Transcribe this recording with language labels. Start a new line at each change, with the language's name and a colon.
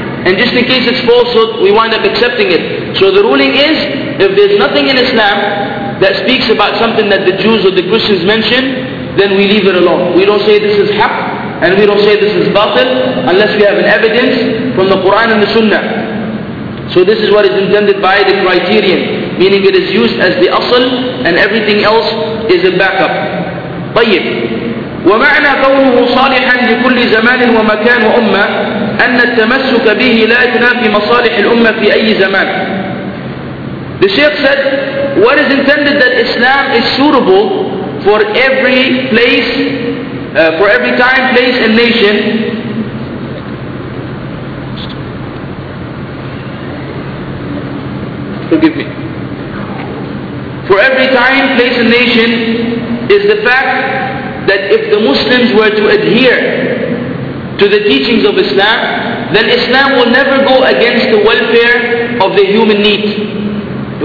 English: And just in case it's falsehood, we wind up accepting it. So the ruling is, if there's nothing in Islam that speaks about something that the Jews or the Christians mention, then we leave it alone. We don't say this is haqq, and we don't say this is batil, unless we have an evidence from the Quran and the Sunnah. So this is what is intended by the criterion, meaning it is used as the asl, and everything else is a backup.
Arabic: طيب ومعنى قوله صالحا لكل زمان ومكان وأمة أن التمسك به لا ينافي مصالح الأمة في أي زمان.
English: The Shaykh said, what is intended that Islam is suitable for every place, for every time, place and nation. Forgive me. For every time, place and nation is the fact that if the Muslims were to adhere to the teachings of Islam, then Islam will never go against the welfare of the human need.